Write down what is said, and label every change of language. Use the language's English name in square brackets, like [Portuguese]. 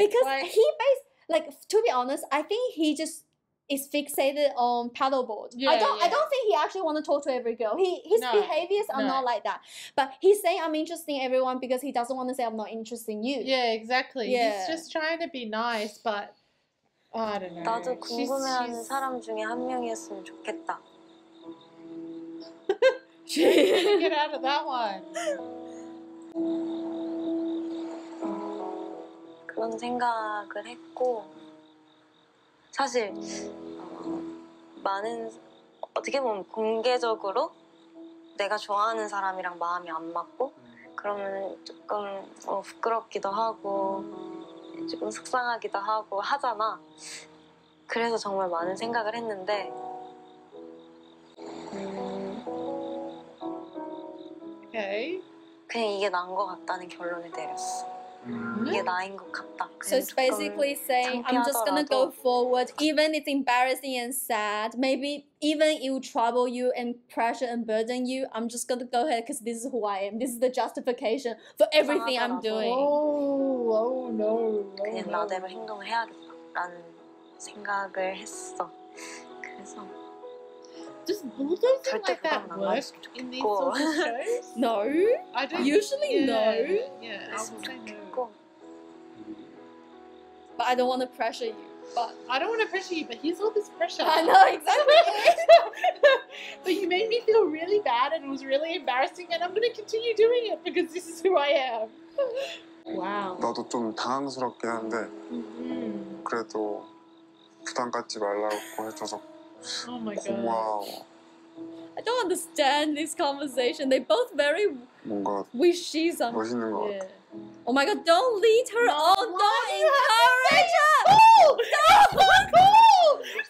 [English] Because like, to be honest, I think he just is fixated on paddleboard. Yeah, I don't think he actually want to talk to every girl. His behaviors are not like that. But he's saying I'm interesting everyone because he doesn't want to say I'm not interesting you. Yeah, exactly. Yeah. He's just trying to be nice, but Oh, I don't know. [Korean] 나도 궁금해하는 [English] she's... [Korean] 사람 중에 한 명이었으면 좋겠다. [English] Get out of that one. [Korean] 그런 생각을 했고 사실 많은 어떻게 보면 공개적으로 내가 좋아하는 사람이랑 마음이 안 맞고 그러면 조금 부끄럽기도 하고 조금 속상하기도 하고 하잖아. 그래서 정말 많은 생각을 했는데 [English] okay. [Korean] 그냥 이게 난 것 같다는 결론을 내렸어. Mm-hmm. 이게 나인 것 같다. [English] So it's basically saying I'm just gonna go forward even it's embarrassing and sad. Maybe even it will trouble you and pressure and burden you. I'm just gonna go ahead because this is who I am. This is the justification for everything I'm doing. Oh, oh no. [Korean] 그냥 나대로 행동을 해야겠다라는 생각을 했어. 그래서 [English] Does bulldozing like that work in these sorts of shows? No. I don't usually yeah, no. Yeah, I would say no. But I don't want to pressure you. But I don't want to pressure you, but here's all this pressure. I know, exactly. But you made me feel really bad and it was really embarrassing and I'm going to continue doing it because this is who I am. Wow. [Korean] 나도 좀 당황스럽긴 한데 그래도 부담 갖지 말라고 해줘서 [English] Oh my god. I don't understand this conversation. They both very wishy something. Yeah. Oh my god, don't lead her on. Don't encourage her.